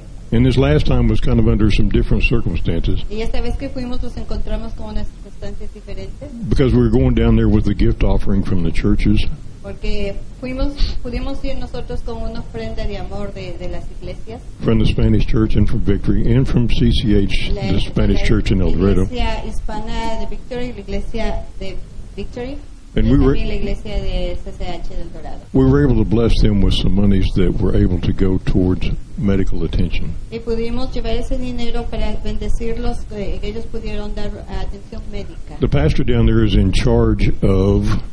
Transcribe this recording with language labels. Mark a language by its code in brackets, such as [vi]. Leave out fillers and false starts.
[en] And this last time was kind of under some different circumstances. Because we were going down there with a gift offering from the churches. [es] Porque fuimos, pudimos ir nosotros con una ofrenda de amor de las iglesias. [en] From the Spanish Church and from Victory and from CCH, the Spanish Church in El Dorado. [es] La iglesia hispana de Victory, la iglesia de Victory. [en] And we were, [es] la iglesia de CCH del Dorado. [en] We were able to bless them with some monies that were able to go towards medical attention. [es] Y pudimos llevar ese dinero para bendecirlos, que ellos pudieron dar atención médica. [en] The pastor down there is in charge of...